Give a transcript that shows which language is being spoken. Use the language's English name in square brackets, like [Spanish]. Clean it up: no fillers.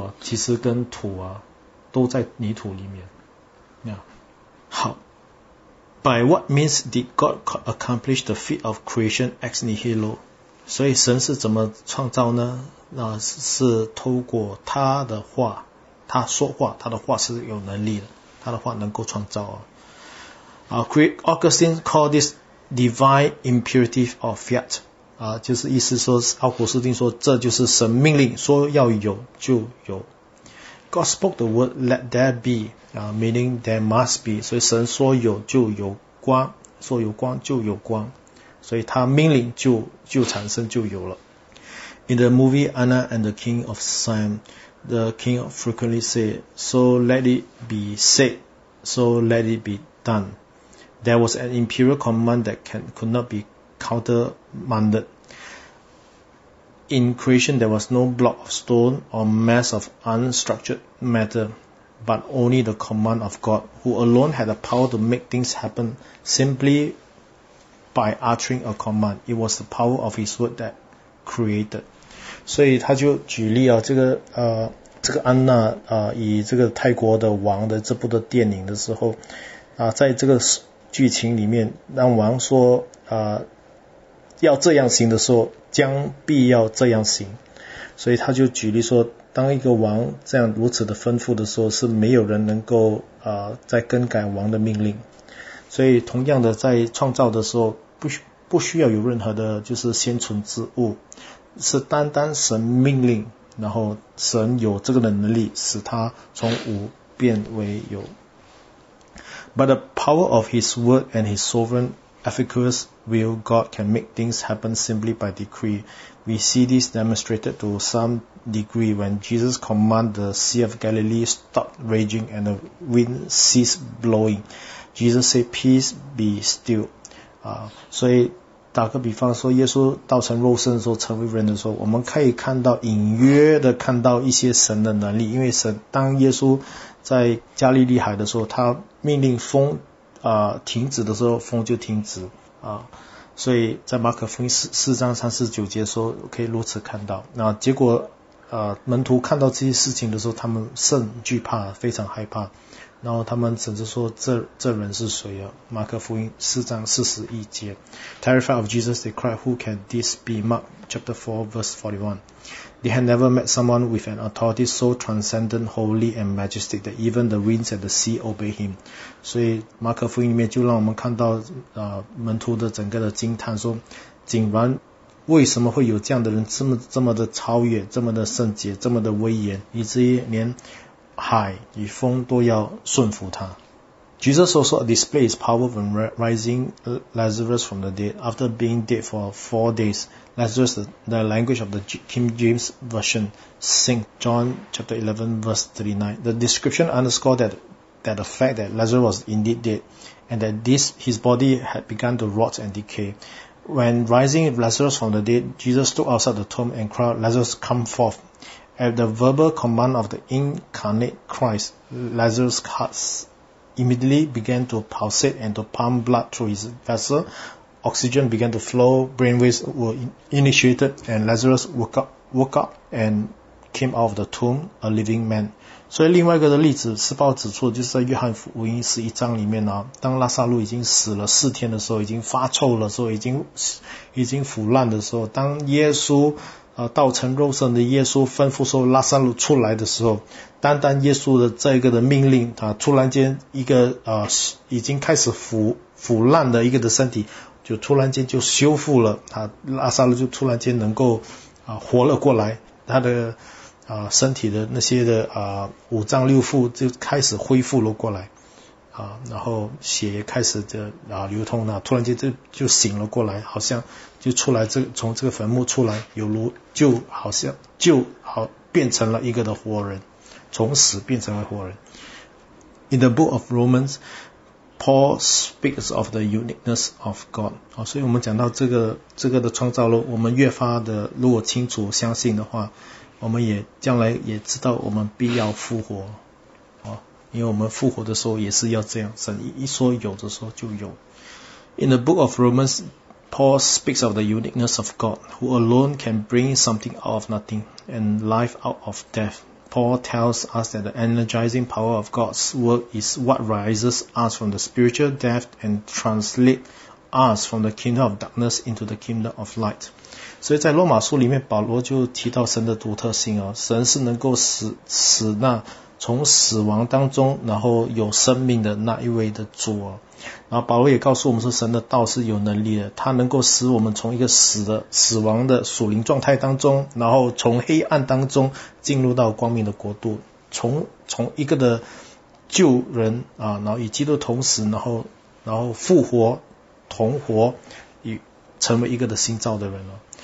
[Chinese] 啊，其实跟土啊都在泥土里面。好。 [English] By what means did God accomplish the feat of creation ex nihilo？ [Chinese] 所以神是怎么创造呢？是透过他的话，他说话，他的话是有能力的，他的话能够创造 [English] Augustine called this divine imperative of fiat， [Chinese] 就是意思说，奥古斯丁说这就是神命令，说要有就有。 [English] God spoke the word let there be， meaning there must be， [Chinese] 所以神说有就有光， [English] 说有光就有光。 [Chinese] 所以他命令就产生就有了。 [English] In the movie Anna and the King of Siam, the king frequently said, so let it be said, so let it be done. there was an imperial command that could not be countermanded. In creation, there was no block of stone or mass of unstructured matter, but only the command of God, who alone had the power to make things happen simply by uttering a command. It was the power of His word that created. [Chinese] 所以他就举例啊，这个安娜啊，以这个泰国的王的这部的电影的时候啊，在这个剧情里面，让王说啊，要这样行的时候，将必要这样行。所以他就举例说，当一个王这样如此的吩咐的时候，是没有人能够啊再更改王的命令。所以同样的，在创造的时候，不需要有任何的就是先存之物，是单单神命令，然后神有这个能力使他从无变为有。 [English] But the power of His word and His sovereign efficacious will, God can make things happen simply by decree. We see this demonstrated to some degree when Jesus commanded the Sea of Galilee stop raging and the wind ceased blowing. Jesus said, peace be still. [Chinese] 所以打个比方说，耶稣道成肉身的时候，成为人的时候，我们可以看到隐约的看到一些神的能力。因为神当耶稣在加利利海的时候，他命令风啊、停止的时候，风就停止啊。所以在马可福音四章三十九节说，可以如此看到。那结果门徒看到这些事情的时候，他们甚惧怕，非常害怕。然后他们甚至说这人是谁啊？马可福音四章四十一节 [English] ，Terrified of Jesus, they cried, "Who can this be?" Mark chapter 4 verse 41. They had never met someone with an authority so transcendent, holy and majestic that even the winds and the sea obey him. [Chinese] 所以马可福音里面就让我们看到门徒的整个的惊叹，说竟然为什么会有这样的人，这么的超越，这么的圣洁，这么的威严，以至于连海与风都要顺服他。 [English] Jesus also displays power when raising Lazarus from the dead. After being dead for 4 days, Lazarus, the language of the King James Version, St. John chapter 11 verse 39. The description underscores that the fact that Lazarus was indeed dead and that his body had begun to rot and decay. When raising Lazarus from the dead, Jesus stood outside the tomb and cried, "Lazarus, come forth." At the verbal command of the incarnate Christ, Lazarus' heart immediately began to pulsate and to pump blood through his vessel. Oxygen began to flow, brainwaves were initiated, and Lazarus woke up and came out of the tomb a living man. [Chinese] 所以另外一个例子，时报指出，就是在约翰福音十一章里面，当拉撒路已经死了四天的时候，已经发臭了，所以已经腐烂的时候，当耶稣道成肉身的耶稣吩咐说拉撒路出来的时候，单单耶稣的这个的命令，突然间一个已经开始腐烂的一个的身体，就突然间就修复了，拉撒路就突然间能够活了过来，他的身体的那些的五脏六腑就开始恢复了过来，然后血也开始的流通了，突然间就醒了过来，好像就出来从这个坟墓出来，有如就好变成了一个的活人，从死变成了活人。 [English] In the book of Romans, Paul speaks of the uniqueness of God. [Chinese] 所以我们讲到这个的创造论，我们越发的如果清楚相信的话，我们也将来也知道我们必要复活。因为我们复活的时候也是要这样，神一说有的时候就有。 [English] In the book of Romans, Paul speaks of the uniqueness of God, who alone can bring something out of nothing and life out of death. Paul tells us that the energizing power of God's work is what raises us from the spiritual death and translates us from the kingdom of darkness into the kingdom of light. [Chinese] 所以在罗马书里面，保罗就提到神的独特性啊，神是能够使那从死亡当中然后有生命的那一位的主啊。然后保罗也告诉我们说，神的道是有能力的，他能够使我们从一个死亡的属灵状态当中，然后从黑暗当中进入到光明的国度，从一个的旧人啊，然后与基督同死，然后复活同活，与成为一个的新造的人了。